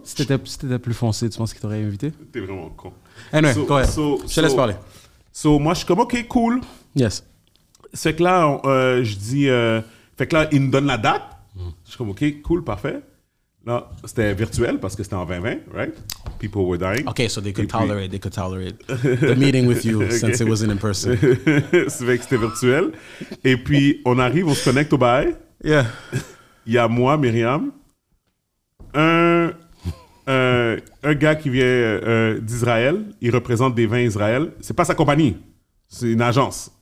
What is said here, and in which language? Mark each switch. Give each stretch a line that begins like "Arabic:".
French: Si t'étais plus foncé, tu penses qu'il t'aurait invité? T'es vraiment con.
English: Anyway, go ahead.
French: Je te laisse parler. So, moi, je suis comme, OK, cool.
English: Yes.
French: Fait que là, je dis... fait que là, il me donne la date. Je suis comme, OK, cool, parfait. Non, c'était virtuel parce que c'était en 2020,
English: right? People were dying. Okay, so they could tolerate the meeting with you okay. Since it wasn't in person.
French: C'est vrai que c'était virtuel. Et puis, on arrive, on se connecte au bail.
English: Yeah.
French: Il y a moi, Myriam, un gars qui vient d'Israël. Il représente des vins Israël. C'est pas sa compagnie. C'est une agence.